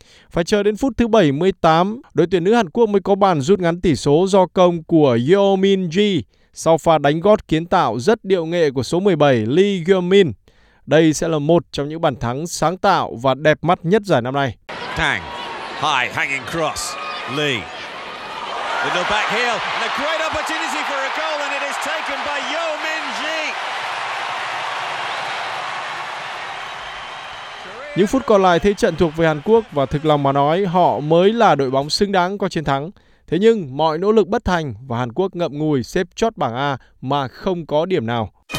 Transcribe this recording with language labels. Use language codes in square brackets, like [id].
[vi] Phải chờ đến phút thứ 78, đội tuyển nữ Hàn Quốc mới có bàn rút ngắn tỷ số do công của Yeo Min Ji sau pha đánh gót kiến tạo rất điệu nghệ của số 17 Lee Yeo Min. Đây sẽ là một trong những bàn thắng sáng tạo và đẹp mắt nhất giải năm nay. [en] Tang, high hanging cross, Lee. With the back heel and a great opportunity for a goal and it is taken by Yeo Min Ji. [vi] Những phút còn lại thế trận thuộc về Hàn Quốc và thực lòng mà nói họ mới là đội bóng xứng đáng có chiến thắng. Thế nhưng mọi nỗ lực bất thành và Hàn Quốc ngậm ngùi xếp chót bảng A mà không có điểm nào.